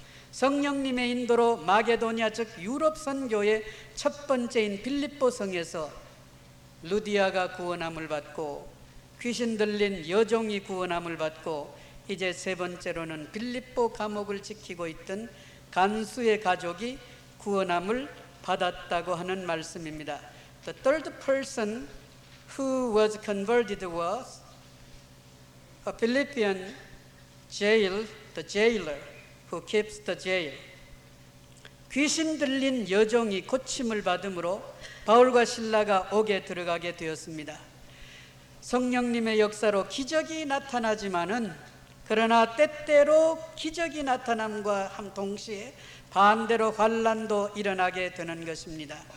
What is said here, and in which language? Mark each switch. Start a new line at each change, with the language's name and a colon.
Korean: 성령님의 인도로 마게도니아 즉 유럽 선교의 첫 번째인 빌립보 성에서 루디아가 구원함을 받고 귀신 들린 여종이 구원함을 받고 이제 세 번째로는 빌립보 감옥을 지키고 있던 간수의 가족이 구원함을 받았다고 하는 말씀입니다.
English: The third person who was converted was a Philippian jail, the jailer who keeps the jail.
Korean: 귀신 들린 여종이 고침을 받으므로 바울과 실라가 옥에 들어가게 되었습니다. 성령님의 역사로 기적이 나타나지만은 그러나 때때로 기적이 나타남과 동시에 반대로 환란도 일어나게 되는 것입니다.